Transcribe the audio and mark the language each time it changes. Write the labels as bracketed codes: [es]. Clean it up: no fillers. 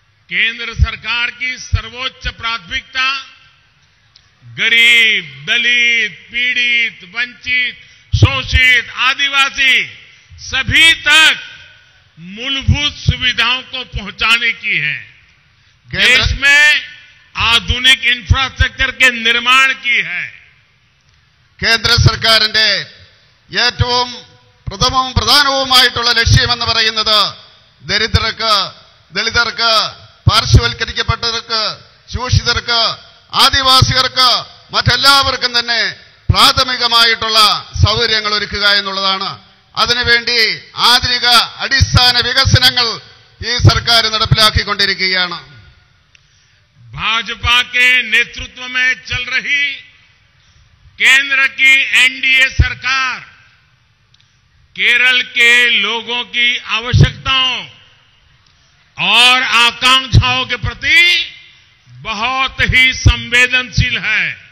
[hi] केंद्र सरकार की सर्वोच्च प्राथमिकता गरीब, दलित, पीड़ित, वंचित, शोषित, आदिवासी सभी तक मूलभूत सुविधाओं को पहुंचाने की है। देश में आधुनिक इंफ्रास्ट्रक्चर के निर्माण की है। [ml] केंद्र सरकार ഏറ്റവും പ്രഥമവും പ്രധാനവുമായിട്ടുള്ള ലക്ഷ്യമെന്ന് പറയുന്നത് ദരിദ്രർക്ക്, ദളിതർക്ക്, പാർശ്വവൽക്കരിക്കപ്പെട്ടവർക്ക്, ശോഷിതർക്ക്, ആദിവാസികൾക്ക്, മറ്റെല്ലാവർക്കും തന്നെ പ്രാഥമികമായിട്ടുള്ള സൗകര്യങ്ങൾ ഒരുക്കുക എന്നുള്ളതാണ്. അതിനുവേണ്ടി ആധുനിക അടിസ്ഥാന വികസനങ്ങൾ ഈ സർക്കാർ നടപ്പിലാക്കിക്കൊണ്ടിരിക്കുകയാണ്. [hi] ഭാജപയുടെ നേതൃത്വമേ ചൽ റഹി केंद्र की एनडीए सरकार केरल के लोगों की आवश्यकताओं और आकांक्षाओं के प्रति बहुत ही संवेदनशील है।